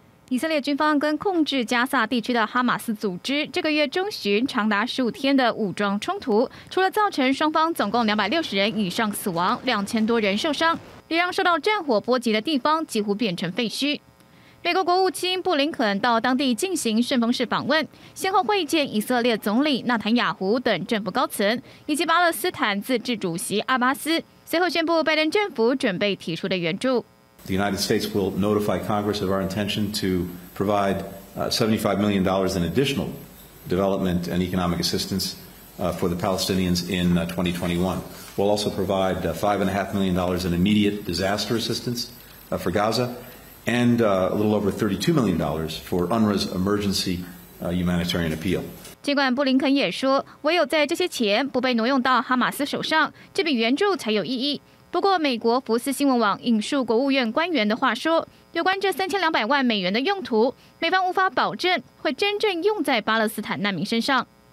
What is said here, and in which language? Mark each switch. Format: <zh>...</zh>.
<zh>以色列军方跟控制加萨地区的哈马斯组织这个月中旬长达15天的武装冲突，除了造成双方总共260人以上死亡、2000多人受伤，也让受到战火波及的地方几乎变成废墟。美国国务卿布林肯到当地进行顺风式访问，先后会见以色列总理纳坦雅胡等政府高层，以及巴勒斯坦自治主席阿巴斯。随后宣布拜登政府准备提出的援助。</zh> <en>The United States will notify Congress of our intention to provide $75 million in additional development and economic assistance for the Palestinians in 2021. We'll also provide $5.5 million in immediate disaster assistance for Gaza and a little over $32 million for UNRWA's emergency humanitarian appeal.</en> <zh>尽管布林肯也说，唯有在这些钱不被挪用到哈马斯手上，这笔援助才有意义。不过，美国福斯新闻网引述国务院官员的话说，有关这3200万美元的用途，美方无法保证会真正用在巴勒斯坦难民身上。</zh>